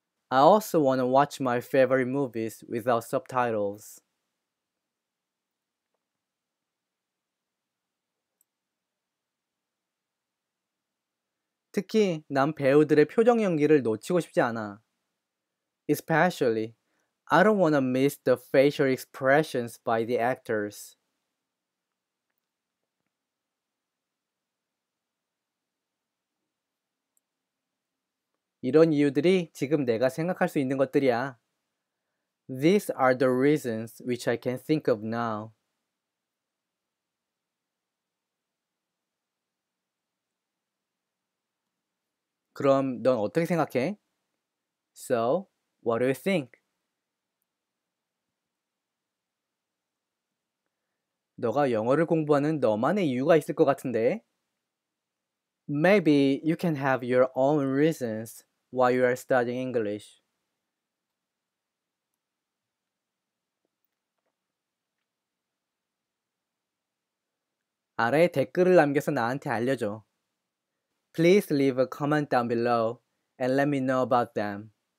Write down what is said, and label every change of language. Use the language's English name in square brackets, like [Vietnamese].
[English] I also want to watch my favorite movies without subtitles. [Korean] 특히 난 배우들의 표정 연기를 놓치고 싶지 않아. [English] Especially, I don't want to miss the facial expressions by the actors. [Korean] 이런 이유들이 지금 내가 생각할 수 있는 것들이야. [English] These are the reasons which I can think of now. [Korean] 그럼 넌 어떻게 생각해? [English] So, what do you think? [Korean] 너가 영어를 공부하는 너만의 이유가 있을 것 같은데? [English] Maybe you can have your own reasons why you are studying English. [Korean] 아래 댓글을 남겨서 나한테 알려줘. [English] Please leave a comment down below and let me know about them.